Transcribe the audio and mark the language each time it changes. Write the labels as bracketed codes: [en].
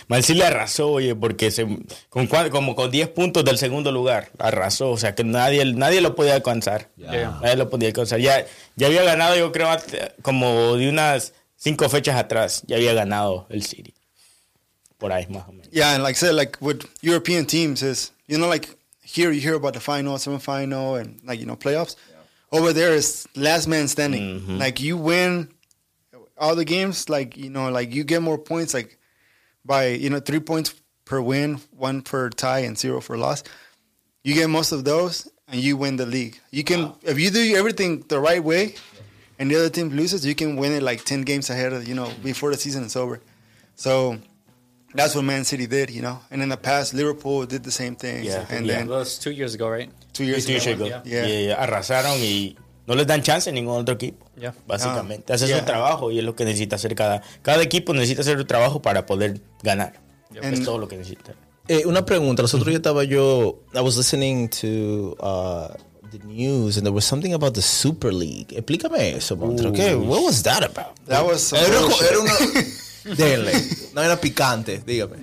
[es] Man City arrasó, oye, porque con 10 puntos del segundo lugar, arrasó. O sea, que nadie lo podía alcanzar. [en] Yeah. [es] Nadie lo podía alcanzar. Ya había ganado, yo creo, como de unas 5 fechas atrás, ya había ganado el City. [en] Yeah, and like I said, like with European teams is, you know, like here you hear about the final, semifinal, and like, you know, playoffs. Yeah. Over there is last man standing. Mm-hmm. Like, you win all the games, like, you know, like you get more points, like by, you know, 3 points per win, one per tie, and zero for loss. You get most of those and you win the league. You can, wow, if you do everything the right way and the other team loses, you can win it like 10 games ahead of, you know, before the season is over. So that's what Man City did, you know. And in the past, Liverpool did the same thing. Yeah. And then, well, it was 2 years ago, right? Two years ago. Yeah. [es] Arrasaron y no les dan chance a ningún otro equipo. Yeah. Básicamente. Haces un trabajo y es lo que necesita hacer cada equipo. Necesita hacer un trabajo para poder ganar. Yep. Es todo lo que necesita. Una pregunta. Los otros [en] I was listening to the news and there was something about the Super League. [es] Explícame eso, Montre. [en] Okay. What was that about? That was [es] era una Dele. No era picante, dígame.